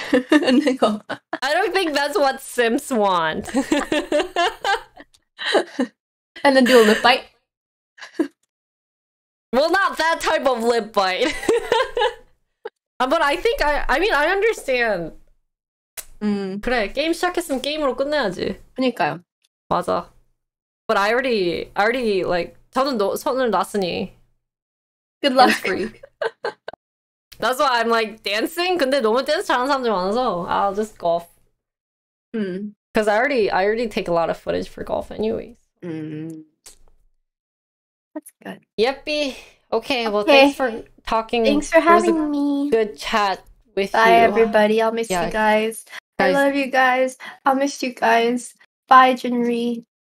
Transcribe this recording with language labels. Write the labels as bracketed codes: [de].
[en] I don't think that's what Sims want. And then do a lip bite. Well, not that type of lip bite. But I think I mean I understand. [ko] 그래 게임 시작했으면 게임으로 끝내야지. 그니까요. 맞아. [en] But I already like [ko] 저는 손을 놨으니. [en] Good luck. That's why I'm like dancing. [ko] 근데 너무 댄스 잘하는 사람들 많아서 [en] I'll just golf. Because I already take a lot of footage for golf anyways. That's good. Yep-y. Okay. Well, thanks for talking. Thanks for having me. Good chat with Bye, you. Bye, everybody. I'll miss you guys. I love you guys. I'll miss you guys. Bye, Jinri.